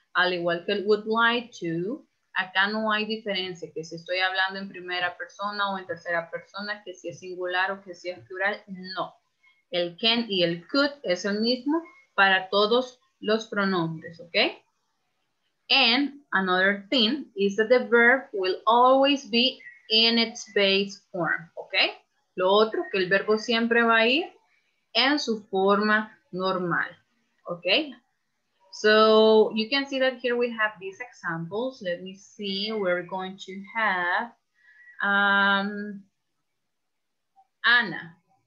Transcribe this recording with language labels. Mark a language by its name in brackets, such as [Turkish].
[Spanish] Al igual que el [English] would like to, [Spanish] acá no hay diferencia, que si estoy hablando en primera persona o en tercera persona, que si es singular o que si es plural, no. El can y el could es el mismo para todos los pronombres, ¿ok? [English] And another thing is that the verb will always be in its base form, ¿ok? [Spanish] Lo otro, que el verbo siempre va a ir en su forma normal, ¿ok? [English] So, you can see that here we have these examples. Let me see, we're going to have Anna.